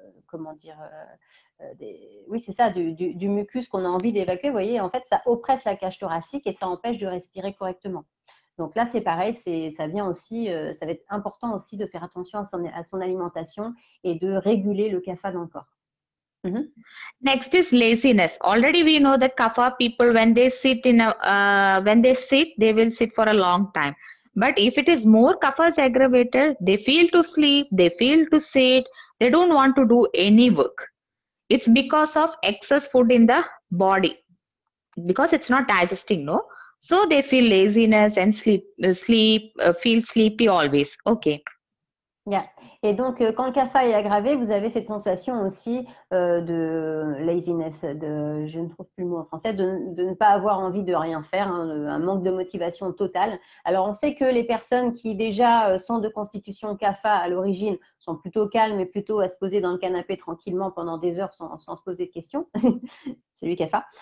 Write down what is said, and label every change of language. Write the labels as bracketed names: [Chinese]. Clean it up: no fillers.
[French] comment dire, des, oui, c'est ça, du mucus qu'on a envie d'évacuer. Vous voyez, en fait, ça oppresse la cage thoracique et ça empêche de respirer correctement. Donc là, c'est pareil, ça vient aussi, ça va être important aussi de faire attention à son alimentation et de réguler le CAFA dans le corps. [English] Next is laziness. Already we know that Kapha people, when they sit in a when they sit, they will sit for a long time. But if it is more Kapha's aggravator, they feel to sleep, they feel to sit, they don't want to do any work. It's because of excess food in the body, because it's not digesting, no? So they feel laziness and feel sleepy always. Okay. [French] Et donc, quand le CAFA est aggravé, vous avez cette sensation aussi de laziness, je ne trouve plus le mot en français, de ne pas avoir envie de rien faire, hein, un manque de motivation totale. Alors, on sait que les personnes qui déjà sont de constitution CAFA à l'origine sont plutôt calmes et plutôt à se poser dans le canapé tranquillement pendant des heures sans se poser de questions. C'est lui CAFA.